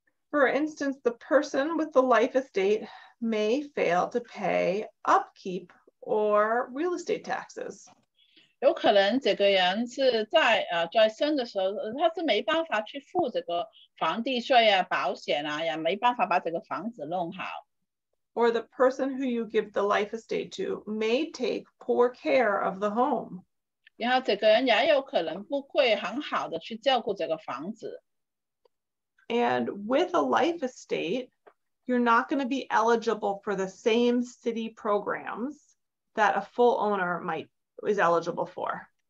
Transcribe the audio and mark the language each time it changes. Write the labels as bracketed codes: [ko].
[en] For instance, the person with the life estate may fail to pay upkeep or real estate taxes. [zh] 有可能这个人是在生的时候，他是没办法去付这个房地税啊、保险啊，也没办法把这个房子弄好。 [en] Or the person who you give the life estate to may take poor care of the home. [zh] 然后这个人也有可能不会很好的去照顾这个房子。 [en] And with a life estate, you're not going to be eligible for the same city programs that a full owner is eligible for.